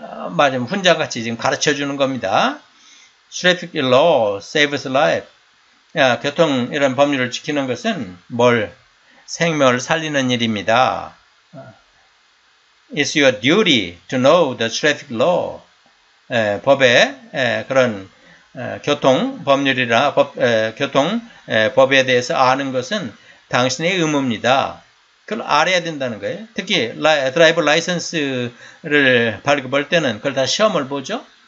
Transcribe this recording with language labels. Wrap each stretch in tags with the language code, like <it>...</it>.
<ko>맞으면 훈장같이 지금 가르쳐 주는 겁니다.</ko> <en>Traffic law saves life.</en> <ko>교통 이런 법률을 지키는 것은 뭘? 생명을 살리는 일입니다.</ko> <en>It's your duty to know the traffic law.</en> <ko>법에 그런 교통 법률이나 교통 법에 대해서 아는 것은 당신의 의무입니다. 그걸 알아야 된다는 거예요. 특히 드라이브 라이선스를 발급할 때는 그걸 다 시험을 보죠.</ko>